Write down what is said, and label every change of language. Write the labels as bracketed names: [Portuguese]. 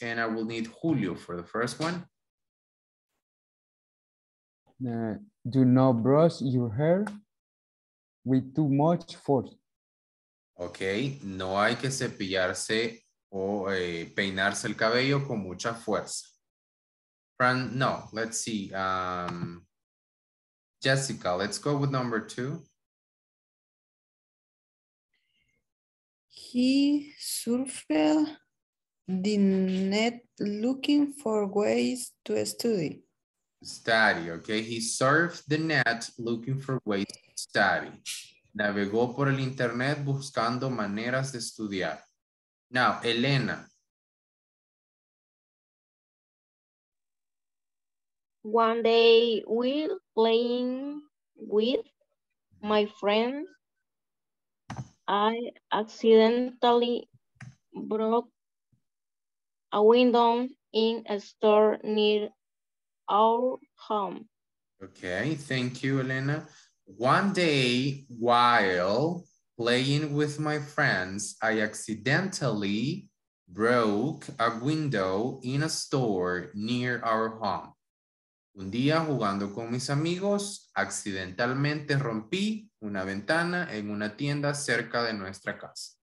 [English] And I will need Julio for the first one. Do not brush your hair with too much force. Okay. [Spanish] No hay que cepillarse o peinarse el cabello con mucha fuerza. [English] Let's see. Jessica, let's go with number two. He surfed the net looking for ways to study. Study, okay. He surfed the net looking for ways to study. [Spanish] Navegó por el internet buscando maneras de estudiar. [English] Now, Elena. One day we're playing with my friends. I accidentally broke a window in a store near our home. Okay, thank you, Elena. One day while playing with my friends, I accidentally broke a window in a store near our home. [Spanish] Un día jugando con mis amigos, accidentalmente rompí una ventana en una tienda cerca de nuestra casa.